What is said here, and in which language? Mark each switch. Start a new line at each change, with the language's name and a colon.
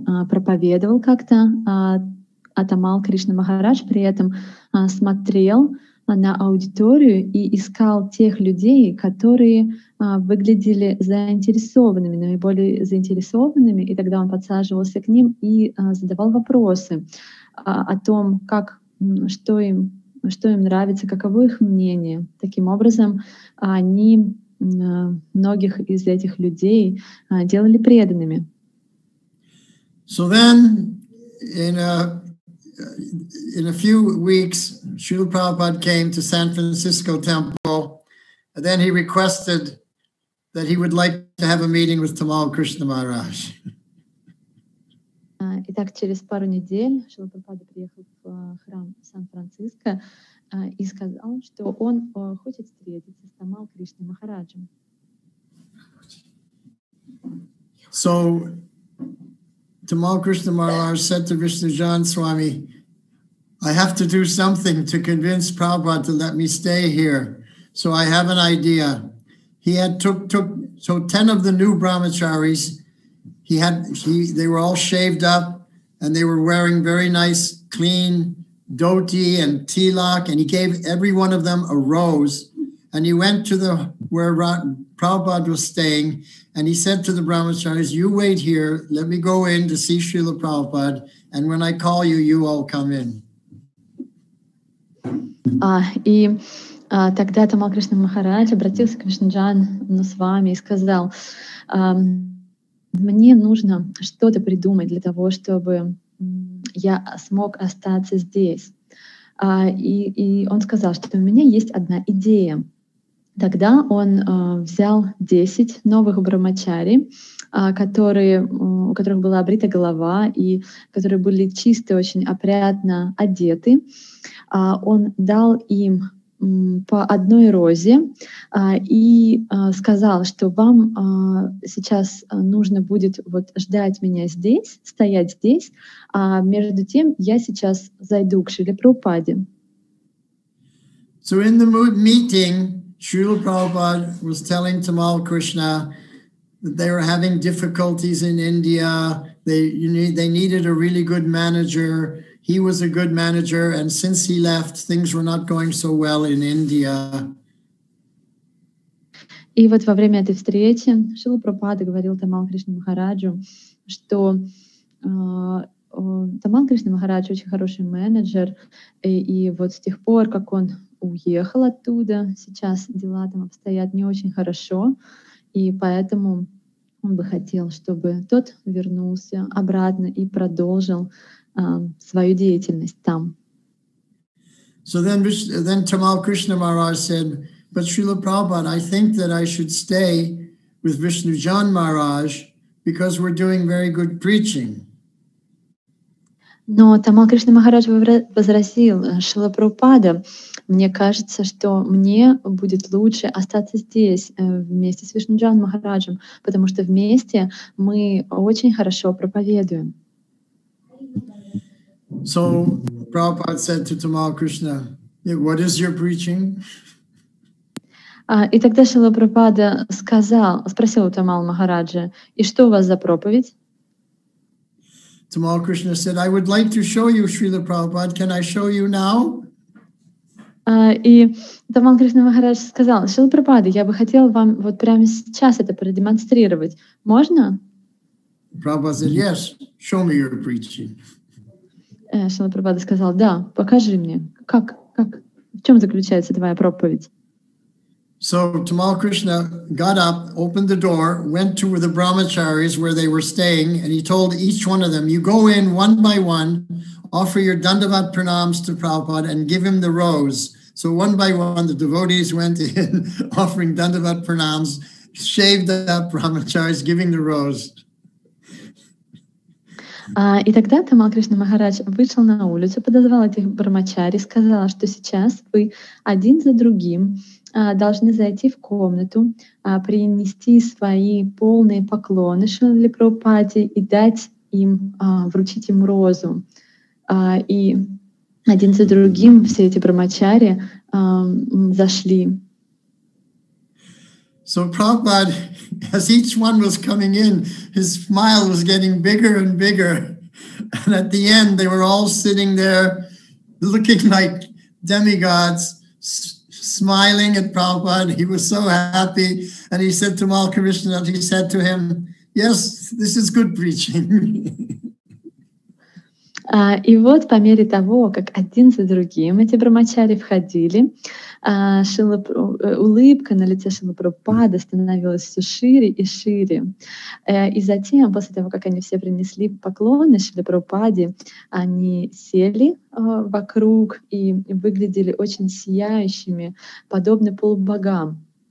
Russian: проповедовал как-то, а Тамал Кришна Махарадж при этом смотрел на аудиторию и искал тех людей, которые выглядели заинтересованными, наиболее заинтересованными, и тогда он подсаживался к ним и задавал вопросы о том, что им нравится, каково их мнение. Таким образом, они многих из этих людей делали преданными.
English: So then, in a few weeks, Srila Prabhupada came to San Francisco Temple, and then he requested that he would like to have a meeting with Tamal Krishna Maharaj.
Russian: Итак, через пару недель Шрила Прабхупада приехал в храм Сан-Франциско и сказал, что он хочет встретиться с Тамал Кришна Махараджем.
English: So Tamal Krishna Maharaj said to Vishnujan Swami, I have to do something to convince Prabhupada to let me stay here. So I have an idea. He had took 10 of the new brahmacharis. They were all shaved up and they were wearing very nice clean dhoti and tilak, and he gave every one of them a rose. And he went to where Prabhupada was staying, and he said to the brahmacharis, you wait here, let me go in to see Srila Prabhupada, and when I call you, you all come in.
Russian: Тогда Тамал Кришна Махарадж обратился к Вишнуджану Свами и сказал, мне нужно что-то придумать для того, чтобы я смог остаться здесь. И он сказал, что у меня есть одна идея. Тогда он взял 10 новых брамачари, у которых была обрита голова и которые были чисто, очень опрятно одеты. Он дал им по одной розе и сказал, что вам сейчас нужно будет вот ждать меня здесь, стоять здесь, а между тем я сейчас зайду к Шриле Прабхупаде.
English: So in the meeting, Srila Prabhupada was telling Tamal Krishna that they were having difficulties in India, they needed a really good manager. He was a good manager, and since he left, things were not going so well in India.
Russian: И вот во время этой встречи Шрила Прабхупада говорил Тамал Кришна Махараджу, что Тамал Кришна Махарадж очень хороший менеджер, и вот с тех пор, как он уехал оттуда, сейчас дела там обстоят не очень хорошо, и поэтому он бы хотел, чтобы тот вернулся обратно и продолжил свою деятельность там.
English: So then Tamal Krishna Maharaj said, but Srila Prabhupada, I think that I should stay with Vishnujan Maharaj because we're doing very good preaching.
Russian: Но Тамал Кришна Махарадж возразил Шрила Прабхупада, мне кажется, что мне будет лучше остаться здесь вместе с Вишнуджан Махараджем, потому что вместе мы очень хорошо проповедуем.
English: So, Prabhupada said to Tamal Krishna, what is your preaching?
Russian: И тогда Шрила Прабхупада спросил у Тамал Махараджа, и что у вас за проповедь?
English: Tamal Krishna said, I would like to show you, Srila Prabhupada, can I show you now?
Russian: И Тамал Кришна Махарадж сказал, Шрила Прабхупада, я бы хотел вам вот прямо сейчас это продемонстрировать. Можно? Прабхупада сказал,
English: yes, show me your preaching.
Russian: Шрила Прабхупада сказал, да, покажи мне, как, в чем заключается твоя проповедь.
English: So Tamal Krishna got up, opened the door, went to the brahmacharis where they were staying, and he told each one of them, you go in one by one, offer your dandavat pranams to Prabhupada and give him the rose. So one by one, the devotees went in offering dandavat pranams, shaved the brahmacharis, giving the rose.
Russian: И тогда Тамал Кришна Махарадж вышел на улицу, подозвал этих брамачари, сказал, что сейчас вы один за другим должны зайти в комнату, принести свои полные поклоны Шриле Прабхупаде и дать им, вручить им розу. И один за другим все эти брамачари зашли.
English: So Prabhupada, as each one was coming in, his smile was getting bigger and bigger. And at the end, they were all sitting there looking like demigods, smiling at Prabhupada. He was so happy. And he said to Mal Krishna, he said to him, yes, this is good preaching.
Russian: И вот по мере того, как один за другим эти брамачари входили, улыбка на лице Шрилы Прабхупады становилась все шире и шире. И затем, после того, как они все принесли поклоны Шриле Прабхупаде, они сели вокруг и выглядели очень сияющими, подобно полубогам.